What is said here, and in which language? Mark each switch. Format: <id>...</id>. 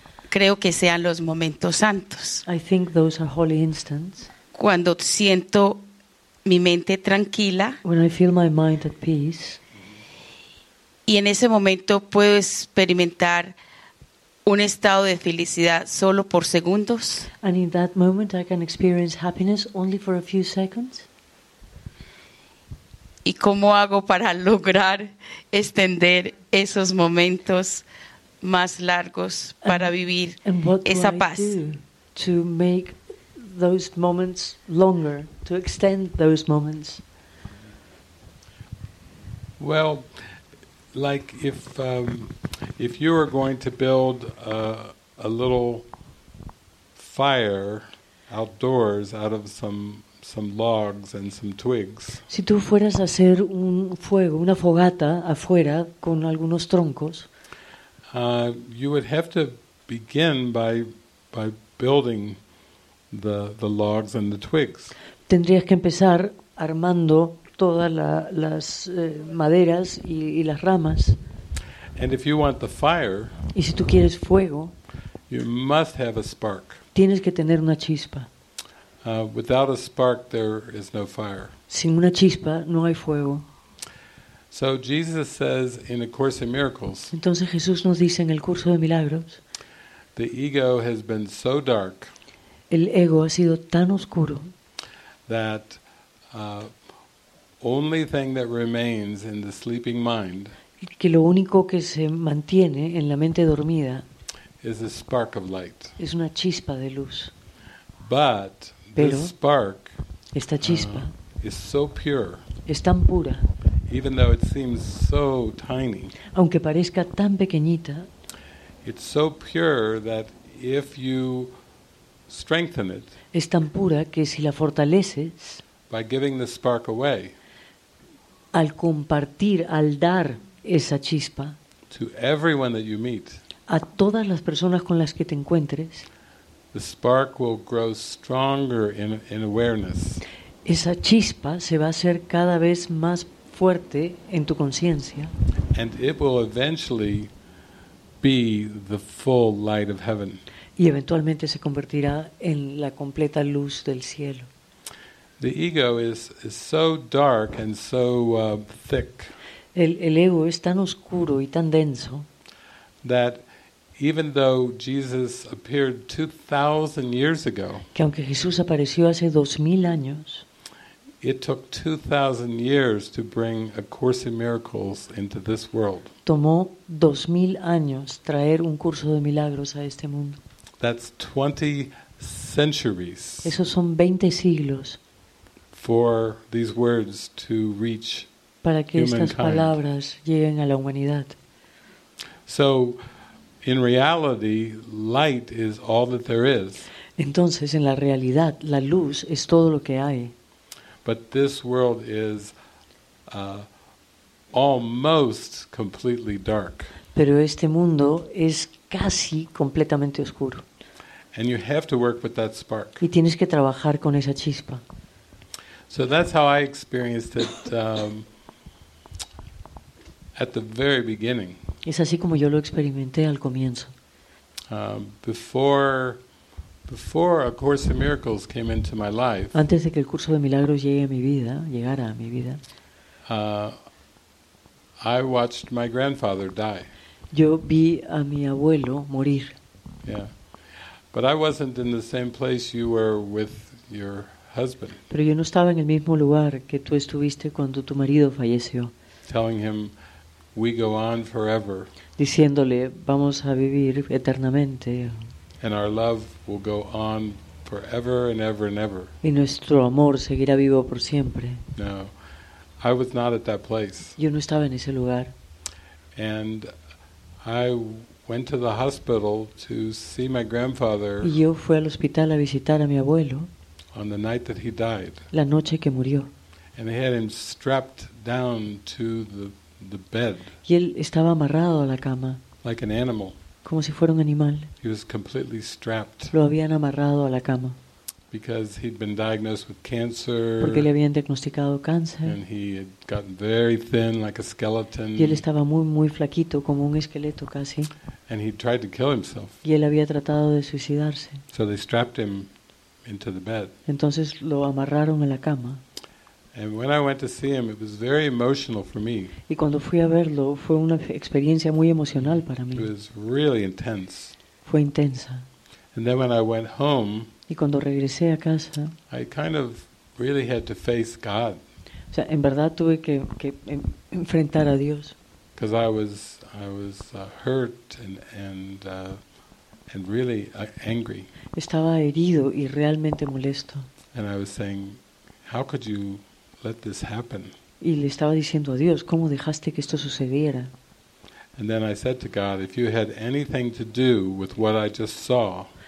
<es>Creo que sean los momentos santos.</es> <en>I think those are holy instants.</en> <es>Cuando siento mi mente tranquila.</es> <en>When I feel my mind at peace.</en> <es>Y en ese momento puedo experimentar un estado de felicidad solo por segundos.</es> <en>And in that moment I can experience happiness only for a few seconds.</en> <es>¿Y cómo hago para lograr extender esos momentos más largos para vivir esa paz?</es> <en>To make those moments longer, to extend those moments. Well, like if you are going to build a little fire outdoors out of some logs and some twigs.</en> <es>Si tú fueras a hacer un fuego, una fogata afuera con algunos troncos.</es> <en>You would have to begin by building the logs and the twigs.</en> <es>Tendrías que empezar armando todas las maderas y las ramas.</es> <en>And if you want the fire,</en> <es>y si tú quieres fuego,</es> <en>you must have a spark.</en> <es>Tienes que tener una chispa.</es> <en>Without a spark, there is no fire.</en> <es>Sin una chispa, no hay fuego.</es> <en>So Jesus says in A Course in Miracles.</en> <es>Entonces Jesús nos dice en el curso de milagros.</es> <en>The ego has been so dark.</en> <es>El ego ha sido tan oscuro.</es> <en>That only thing that remains in the sleeping mind.</en> <es>Que lo único que se mantiene en la mente dormida.</es> <en>Is a spark of light.</en> <es>Es una chispa de luz.</es> <en>But</en> <es>pero</es> <en>this spark.</en> <es>Esta chispa.</es> <en>Is so pure.</en> <es>Es tan pura.</es> <en>Even though it seems so tiny,</en> <es>aunque parezca tan pequeñita,</es> <en>it's so pure that if you strengthen it,</en> <es>es tan pura que si la fortaleces,</es> <en>by giving the spark away,</en> <es>al compartir, al dar esa chispa,</es> <en>to everyone that you meet,</en> <es>a todas las personas con las que te encuentres,</es> <en>the spark will grow stronger in awareness.</en> <es>Esa chispa se va a hacer cada vez más fuerte en tu conciencia.</es> <en>And it will eventually be the full light of heaven.</en> <es>Y eventualmente se convertirá en la completa luz del cielo.</es> <en>The ego is so dark and so thick.</en> <es>El ego es tan oscuro y tan denso.</es> <en>That even though Jesus appeared 2,000 years ago.</en> <es>Que aunque Jesús apareció hace 2,000 años.</es> <en>It took 2,000 years to bring A Course in Miracles into this world.</en> <es>Tomó 2,000 años traer un curso de milagros a este mundo.</es> <en>That's 20 centuries.</en> <es>Esos son 20 siglos.</es> <en>For these words to reach humankind.</en> <es>Para que estas palabras lleguen a la humanidad.</es> <en>So, in reality, light is all that there is.</en> <es>Entonces, en la realidad, la luz es todo lo que hay.</es> <en>But this world is almost completely dark.</en> <es>Pero este mundo es casi completamente oscuro.</es> <en>And you have to work with that spark.</en> <es>Y tienes que trabajar con esa chispa.</es> <en>So that's how I experienced it at the very beginning.</en> <es>Es así como yo lo experimenté al comienzo.</es> <en>Before A Course in Miracles came into my life.</en> <es>Antes de que el curso de milagros llegue a mi vida, llegara a mi vida.</es> <en>I watched my grandfather die.</en> <es>Yo vi a mi abuelo morir.</es> <en>Yeah. But I wasn't in the same place you were with your husband.</en> <es>Pero yo no estaba en el mismo lugar que tú estuviste cuando tu marido falleció.</es> <en>Telling him we go on forever.</en> <es>Diciéndole vamos a vivir eternamente.</es> <en>And our love will go on forever and ever and ever.</en> <es>Y nuestro amor seguirá vivo por siempre.</es> <en>No, I was not at that place.</en> <es>Yo no estaba en ese lugar.</es> <en>And I went to the hospital to see my grandfather.</en> <es>Y yo fui al hospital a visitar a mi abuelo.</es> <en>On the night that he died.</en> <es>La noche que murió.</es> <en>And they had him strapped down to the bed.</en> <es>Y él estaba amarrado a la cama.</es> <en>Like an animal.</en> <es>Como si fuera un animal.</es> <en>He was completely strapped.</en> <es>Lo habían amarrado a la cama.</es> <en>Because he'd been diagnosed with cancer.</en> <es>Porque le habían diagnosticado cáncer.</es> <en>And he had gotten very thin, like a skeleton.</en> <es>Y él estaba muy muy flaquito, como un esqueleto casi.</es> <en>And he tried to kill himself.</en> <es>Y él había tratado de suicidarse.</es> <en>So they strapped him into the bed.</en> <es>Entonces lo amarraron a la cama.</es> <en>And when I went to see him, it was very emotional for me.</en> <es>Y cuando fui a verlo, fue una experiencia muy emocional para mí.</es> <en>It was really intense.</en> <es>Fue intensa.</es> <en>And then when I went home,</en> <es>y cuando regresé a casa,</es> <en>I kind of really had to face God.</en> <es>O sea, en verdad tuve que enfrentar a Dios.</es> <en>Because I was hurt and really angry.</en> <es>Estaba herido y realmente molesto.</es> <en>And I was saying, how could you let this happen?</en> <es>Y le estaba diciendo a Dios, ¿cómo dejaste que esto sucediera?</es> <en>And then I said to God, if you had anything to do with what I just saw.</en>